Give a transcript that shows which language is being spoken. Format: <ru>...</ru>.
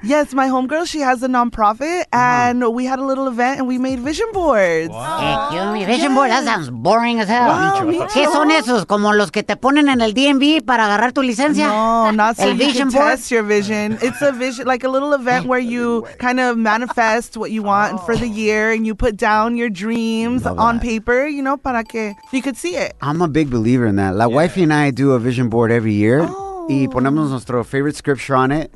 <en>Yes, my homegirl, she has a nonprofit, and we had a little event, and we made vision boards. Wow. Vision board, that sounds boring as hell. Wow,</en> <es>¿qué son esos? ¿Como los que te ponen en el DMV para agarrar tu licencia?</es> <en>No, not so el you vision can board? Test your vision. It's a vision, like a little event where you kind of manifest what you want for the year, and you put down your dreams on paper, you know,</en> <es>para que</es> <en>you could see it. I'm a big believer in that. Wifey and I do a vision board every year.</en> <es>Y ponemos nuestro</es> <en>favorite scripture on it.</en>